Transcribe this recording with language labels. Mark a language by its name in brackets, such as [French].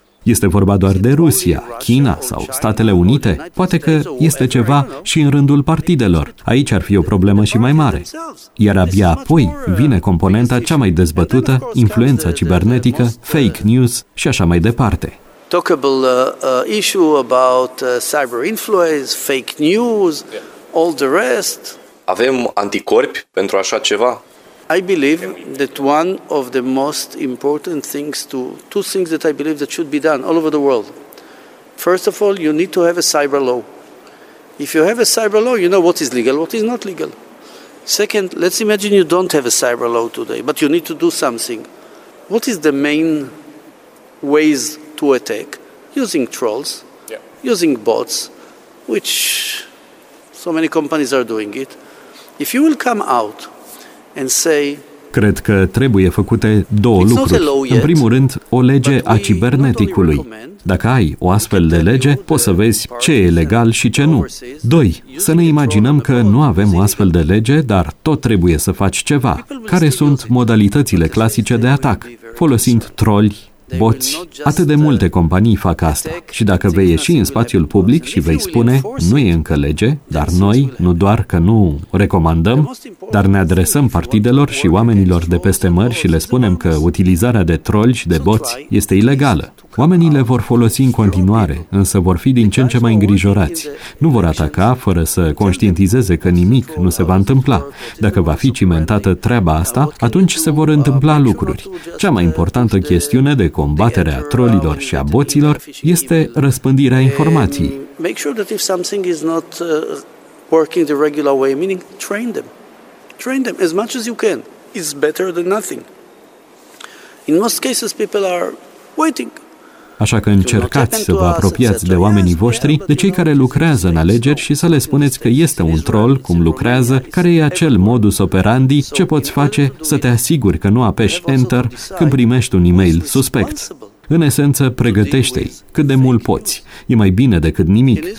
[Romanian] Este vorba doar de Rusia, China sau Statele Unite? Poate că este ceva și în rândul partidelor. Aici ar fi o problemă și mai mare. Iar abia apoi vine componenta cea mai dezbătută, influența cibernetică, fake news și așa mai departe. [English] Talkable issue about cyber influence, fake news, all the rest. [Romanian] Avem anticorpi pentru așa ceva? [English] I believe that one of the most important things to two things that I believe that should be done all over the world. First of all, you need to have a cyber law. If you have a cyber law, you know what is legal, what is not legal. Second, let's imagine you don't have a cyber law today, but you need to do something. What is the main ways to attack? Using trolls, using bots, which so many companies are doing it. If you will come out and say, [Romanian] cred că trebuie făcute două lucruri. În primul rând, o lege a ciberneticului. Dacă ai o astfel de lege, poți să vezi ce e legal și ce nu. Doi, să ne imaginăm că nu avem o astfel de lege, dar tot trebuie să faci ceva. Care sunt modalitățile clasice de atac? Folosind troli, boți, atât de multe companii fac asta. Și dacă vei ieși în spațiul public și vei spune, nu e încă lege, dar noi, nu doar că nu recomandăm, dar ne adresăm partidelor și oamenilor de peste mări și le spunem că utilizarea de troli și de boți este ilegală. Oamenii le vor folosi în continuare, însă vor fi din ce în ce mai îngrijorați. Nu vor ataca fără să conștientizeze că nimic nu se va întâmpla. Dacă va fi cimentată treaba asta, atunci se vor întâmpla lucruri. Cea mai importantă chestiune de combatere a trolilor și a boților este răspândirea informației. [English] Make sure that if something is not working the regular way, meaning train them. Train them as much as you can. It's better than nothing. In most cases people are waiting. [Romanian] Așa că încercați să vă apropiați de oamenii voștri, de cei care lucrează în alegeri și să le spuneți că este un troll, cum lucrează, care e acel modus operandi, ce poți face să te asiguri că nu apeși Enter când primești un e-mail suspect. În esență, pregătește-i cât de mult poți. E mai bine decât nimic.